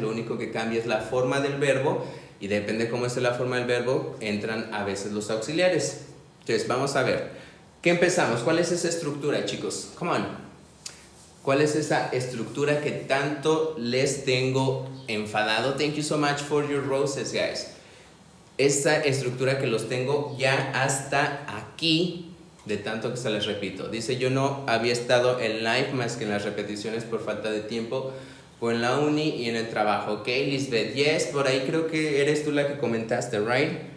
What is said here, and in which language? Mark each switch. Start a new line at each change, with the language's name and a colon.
Spanish: Lo único que cambia es la forma del verbo. Y depende cómo esté la forma del verbo, entran a veces los auxiliares. Entonces, vamos a ver. ¿Qué empezamos? ¿Cuál es esa estructura, chicos?
English: Come on.
Spanish: ¿Cuál es esa estructura que tanto les tengo enfadado?
English: Thank you so much for your roses, guys.
Spanish: Esa estructura que los tengo ya hasta aquí, de tanto que se les repito. Dice, yo no había estado en live más que en las repeticiones por falta de tiempo. O en la uni y en el trabajo, ok, Lisbeth. Yes, por ahí creo que eres tú la que comentaste, right?